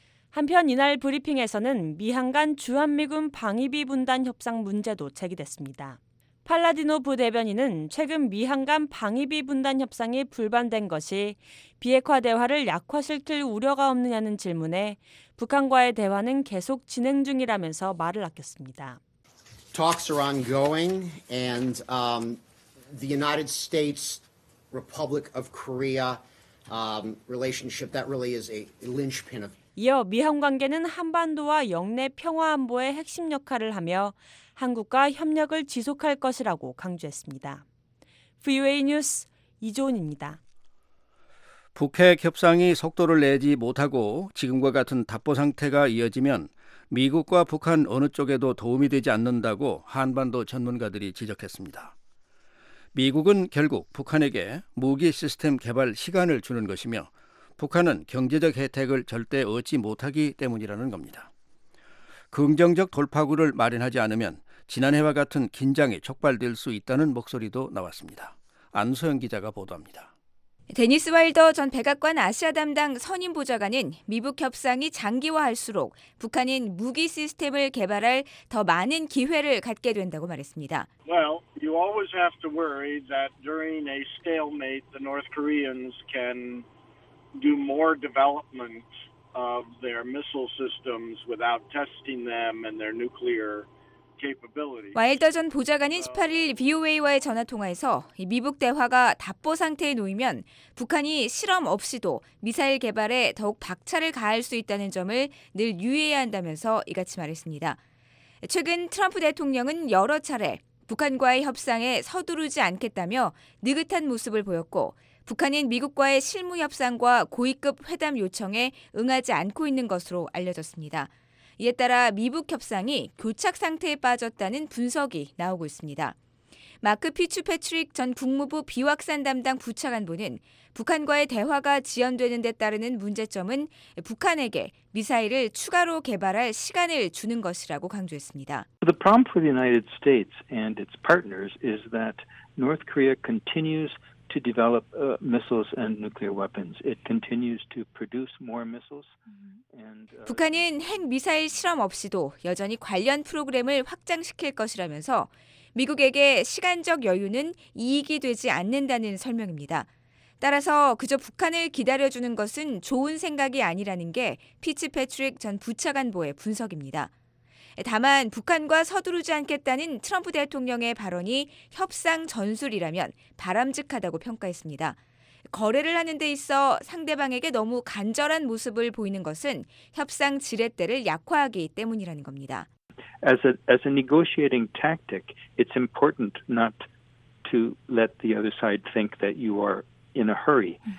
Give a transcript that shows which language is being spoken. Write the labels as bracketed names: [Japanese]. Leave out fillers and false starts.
[Korean] 한편 이날 브리핑에서는 미한 간 주한미군 방위비 분담 협상 문제도 제기됐습니다. 팔라디노 부대변인은 최근 미한 간 방위비 분담 협상이 불발된 것이 비핵화 대화를 약화시킬 우려가 없느냐는 질문에 북한과의 대화는 계속 진행 중이라면서 말을 아꼈습니다. [English] Talks are ongoing and the United States Republic of Korea relationship that really is a linchpin of [Korean] 이어 미한 관계는 한반도와 영내 평화 안보의 핵심 역할을 하며 한국과 협력을 지속할 것이라고 강조했습니다. VOA 뉴스 이조은입니다. 북핵 협상이 속도를 내지 못하고 지금과 같은 답보 상태가 이어지면 미국과 북한 어느 쪽에도 도움이 되지 않는다고 한반도 전문가들이 지적했습니다. 미국은 결국 북한에게 무기 시스템 개발 시간을 주는 것이며 북한은 경제적 혜택을 절대 얻지 못하기 때문이라는 겁니다. 긍정적 돌파구를 마련하지 않으면 지난해와 같은 긴장이 촉발될 수 있다는 목소리도 나왔습니다. 안소영 기자가 보도합니다. 데니스 와일더 전 백악관 아시아 담당 선임 보좌관은 미북 협상이 장기화할수록 북한은 무기 시스템을 개발할 더 많은 기회를 갖게 된다고 말했습니다. [English] Well, you always have to worry that during a stalemate the North Koreans can do more development of their missile systems without testing them and their nuclear capability. [Korean] 와일더 전 보좌관은 18일 VOA와의 전화 통화에서 미북 대화가 답보 상태에 놓이면 북한이 실험 없이도 미사일 개발에 더욱 박차를 가할 수 있다는 점을 늘 유의해야 한다면서 이같이 말했습니다. 최근 트럼프 대통령은 여러 차례 북한과의 협상에 서두르지 않겠다며 느긋한 모습을 보였고 북한은 미국과의 실무 협상과 고위급 회담 요청에 응하지 않고 있는 것으로 알려졌습니다. 이에 따라 미북 협상이 교착 상태에 빠졌다는 분석이 나오고 있습니다. 마크 피츠 패트릭 전 국무부 비확산 담당 부차관보는 북한과의 대화가 지연되는 데 따르는 문제점은 북한에게 미사일을 추가로 개발할 시간을 주는 것이라고 강조했습니다. [English] The problem for the United States and its partners is that North Korea continues to develop missiles and nuclear weapons. It continues to produce more missiles. And [Korean] 북한은 핵 미사일 실험 없이도 여전히 관련 프로그램을 확장시킬 것이라면서 미국에게 시간적 여유는 이익이 되지 않는다는 설명입니다. 따라서 그저 북한을 기다려 주는 것은 좋은 생각이 아니라는 게 피츠 패트릭 전 부차관보의 분석입니다. 다만 북한과 서두르지 않겠다는 트럼프 대통령의 발언이 협상 전술이라면 바람직하다고 평가했습니다. 거래를 하는 데 있어 상대방에게 너무 간절한 모습을 보이는 것은 협상 지렛대를 약화하기 때문이라는 겁니다. [English] As a negotiating tactic, it's important not to let the other side think that you are in a hurry.